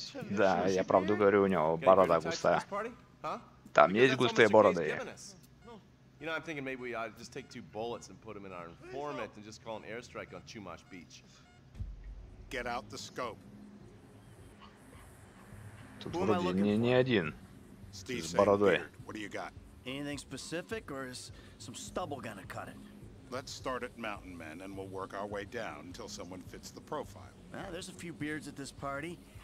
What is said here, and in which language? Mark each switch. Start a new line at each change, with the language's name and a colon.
Russian: Да, я правду говорю, у него борода густая. Там есть густые бороды.
English: You know, I'm thinking maybe we ought to just take two bullets and put them in our informant and just call an airstrike on Chumash Beach. Get out the scope.
Russian: Тут вроде не один с бородой.
English: Anything specific or is some stubble gonna cut it? Let's start at Mountain Men and we'll work our way down until someone fits the profile. Well, there's a few beards at this party.